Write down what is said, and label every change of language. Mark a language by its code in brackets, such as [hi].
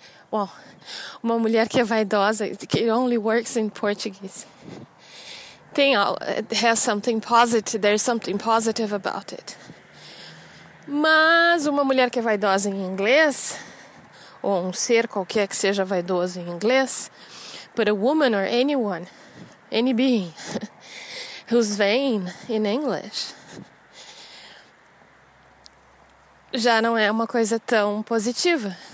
[en] Well, [pt] uma mulher que é vaidosa, [en] it only works in Portuguese. It has something positive, there's something positive about it. [pt] Mas uma mulher que é vaidosa em inglês, ou um ser qualquer que seja vaidoso em inglês, [en] but a woman or anyone, any being, who's vain in English, [pt] já não é uma coisa tão positiva.